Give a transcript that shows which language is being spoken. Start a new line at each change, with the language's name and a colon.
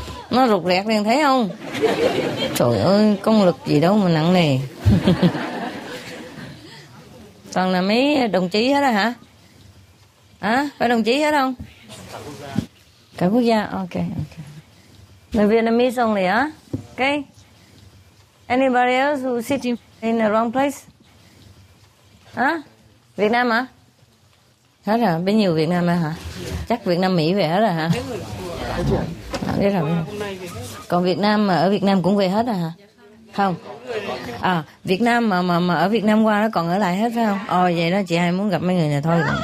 Vietnamese: Nó rụt rẹt liền, thấy không? Trời ơi, công lực gì đâu mà nặng nề. Toàn là mấy đồng chí hết rồi hả? À, phải đồng chí hết không? Cả quốc gia. Cả quốc gia, ok. Người
English: Vietnamese only,
Vietnamese: hả? Ok.
English: Anybody else who sit in the wrong place?
Vietnamese: Hả? Việt Nam hả? Hết rồi, bên nhiều Việt Nam hả? Chắc Việt Nam Mỹ về hết rồi hả? À, biết rồi. Còn Việt Nam mà ở Việt Nam cũng về hết rồi hả? Không. À, Việt Nam mà ở Việt Nam qua nó còn ở lại hết phải không? Vậy đó, chị hai muốn gặp mấy người này thôi.